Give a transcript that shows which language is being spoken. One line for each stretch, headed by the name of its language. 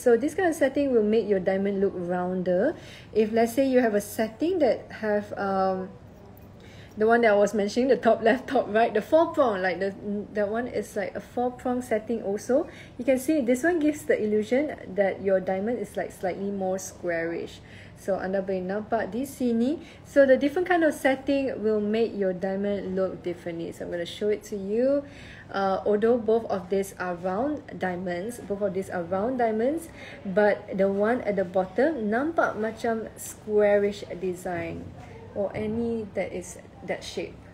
English: So this kind of setting will make your diamond look rounder. If let's say you have a setting that have the one that I was mentioning, the top left, top right, the four prong, like that one is like a four prong setting also. You can see this one gives the illusion that your diamond is like slightly more squarish.
Malay: So anda boleh nampak di sini.
English: So the different kind of setting will make your diamond look differently. So I'm going to show it to you. Although both of these are round diamonds, but the one at the bottom
Malay: nampak macam
English: squarish design, or any that is that shape.